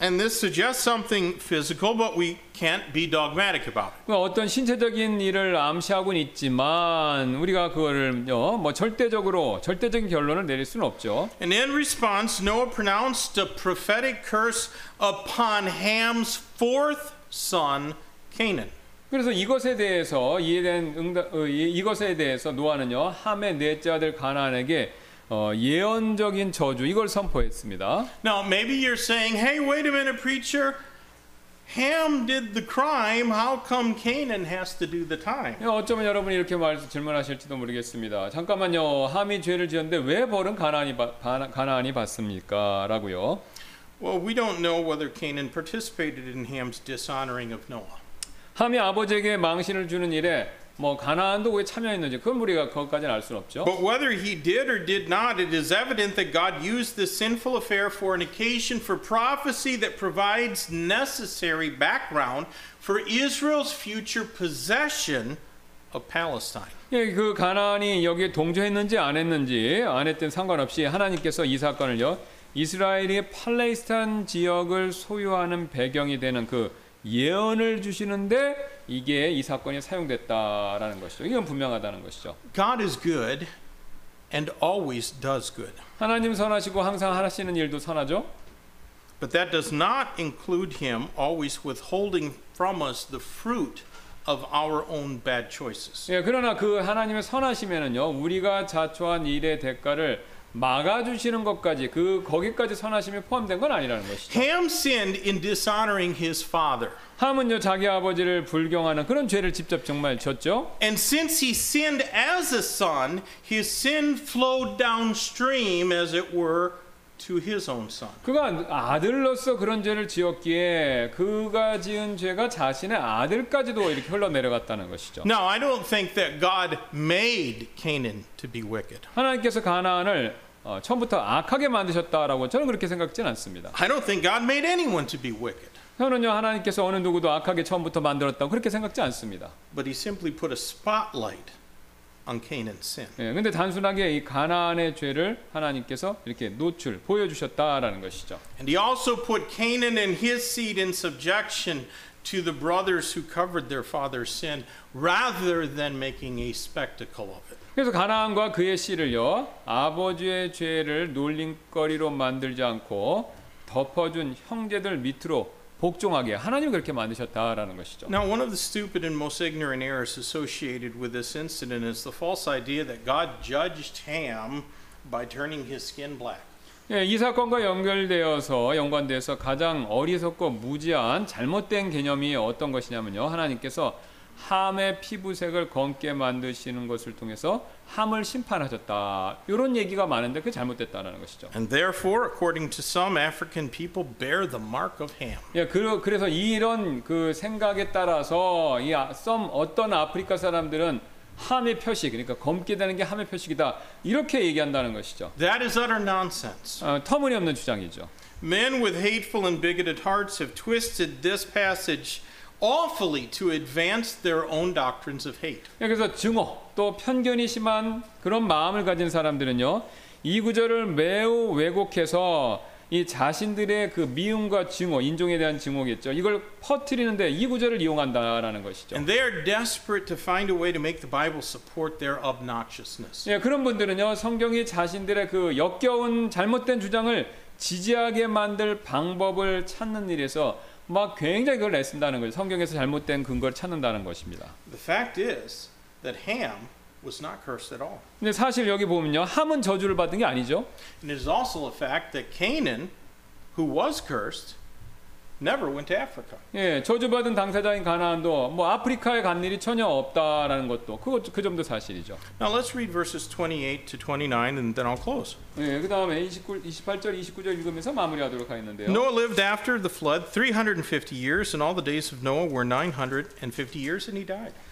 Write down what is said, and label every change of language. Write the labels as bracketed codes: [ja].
[en] And this suggests something physical, but we can't be dogmatic about it. [ko] 어떤 신체적인 일을 암시하고는 있지만 우리가 그거를요 뭐 절대적인 결론을 내릴 수는 없죠. [en] And in response, Noah pronounced a prophetic curse upon Ham's fourth son, Canaan. [ko] 그래서 이것에 대해서 이것에 대해서 노아는요 함의 넷째 아들 가나안에게 예언적인 저주 이걸 선포했습니다. [en] Now maybe you're saying, "Hey, wait a minute, preacher. Ham did the crime. How come Canaan has to do the time?" [ko] 어쩌면 여러분이 이렇게 질문하실지도 모르겠습니다. 잠깐만요, 함이 죄를 지었는데 왜 벌은 가나안이 받습니까?라고요. [en] Well, we don't know whether Canaan participated in Ham's dishonoring of Noah. [ko] 함이 아버지에게 망신을 주는 일에 뭐 가나안도 왜 참여했는지 그건 우리가 거기까지는 알 수 없죠. [en] But whether he did or did not, it is evident that God used this sinful affair for an occasion for prophecy that provides necessary background for Israel's future possession of Palestine. [ko] 예, 그 가나안이 여기에 동조했는지 안 했는지 안 했든 상관없이 하나님께서 이 사건을요 이스라엘이 팔레스타인 지역을 소유하는 배경이 되는 그 예언을 주시는데 이게 이 사건이 사용됐다라는 것이죠. 이건 분명하다는 것이죠. [en] God is good and always does good. [ko] 하나님 선하시고 항상 하시는 일도 선하죠. [en] But that does not include him always withholding from us the fruit of our own bad choices. [ko] 예, 그러나 그 하나님의 선하시면은요. 우리가 자초한 일의 대가를 막아주시는 것까지 그 거기까지 선하심이 포함된 건 아니라는 것이죠. [en] Ham sinned in dishonoring his father. [ko] 함은요 자기 아버지를 불경하는 그런 죄를 직접 정말 졌죠. [en] And since he sinned as a son, his sin flowed downstream, as it were, to his own son. [ko] 그가 아들로서 그런 죄를 지었기에 그가 지은 죄가 자신의 아들까지도 이렇게 흘러내려갔다는 것이죠. [en] Now, I don't think that God made Canaan to be wicked. [ko] 하나님께서 가나안을 처음부터 악하게 만드셨다라고 저는 그렇게 생각하지는 않습니다. [en] I don't think God made anyone to be wicked. [ko] 저는요 하나님께서 어느 누구도 악하게 처음부터 만들었다고 그렇게 생각하지 않습니다. [en] But he simply put a spotlight on Canaan's sin. [ko] 예, 근데 단순하게 이 가나안의 죄를 하나님께서 이렇게 노출 보여주셨다라는 것이죠. [en] And he also put Canaan and his seed in subjection to the brothers who covered their father's sin, rather than making a spectacle of it. [ko] 그래서 가나안과 그의 씨를요 아버지의 죄를 놀림거리로 만들지 않고 덮어준 형제들 밑으로 복종하게 하나님 그렇게 만드셨다라는 것이죠. [en] Now, one of the stupid and most ignorant errors associated with this incident is the false idea that God judged Ham by turning his skin black. [ko] 예, 이 사건과 연관돼서 가장 어리석고 무지한 잘못된 개념이 어떤 것이냐면요. 하나님께서 함의 피부색을 검게 만드시는 것을 통해서 함을 심판하셨다. 이런 얘기가 많은데 그게 잘못됐다는 것이죠. [en] And therefore, according to some African people, bear the mark of Ham. [ko] 예, 그래서 이런 그 생각에 따라서 이 [en] some [ko] 어떤 아프리카 사람들은 함의 표식, 그러니까 검게 되는 게 함의 표식이다. 이렇게 얘기한다는 것이죠. [en] That is utter nonsense. [ko] 터무니없는 주장이죠. [en] Men with hateful and bigoted hearts have twisted this passage awfully to advance their own doctrines of hate. [ko] 그래서 증오 또 편견이 심한 그런 마음을 가진 사람들은요 이 구절을 매우 왜곡해서 이 자신들의 그 미움과 증오 인종에 대한 증오겠죠 이걸 퍼뜨리는데 이 구절을 이용한다라는 것이죠. [en] And they are desperate to find a way to make the Bible support their obnoxiousness. [ko] 예, 그런 분들은요 성경이 자신들의 그 역겨운 잘못된 주장을 지지하게 만들 방법을 찾는 일에서 막 굉장히 그걸 애쓴다는 거죠. 성경에서 잘못된 근거를 찾는다는 것입니다. [en] The fact is that Ham was not cursed at all. [ko] 근데 사실 여기 보면요. 함은 저주를 받은 게 아니죠. [en] And it is also a fact that Canaan, who was cursed, never went to Africa. [ko] 예, 저주받은 당사자인 가나안도 뭐 아프리카에 간 일이 전혀 없다라는 것도 그 점도 사실이죠. [en] Now let's read verses 28 to 29 and then I'll close. [ko] 예, 그다음에 28절 29절 읽으면서 마무리하도록 하겠는데요. [en] Noah lived after the flood 350 years and all the days of Noah were 950 years and he died.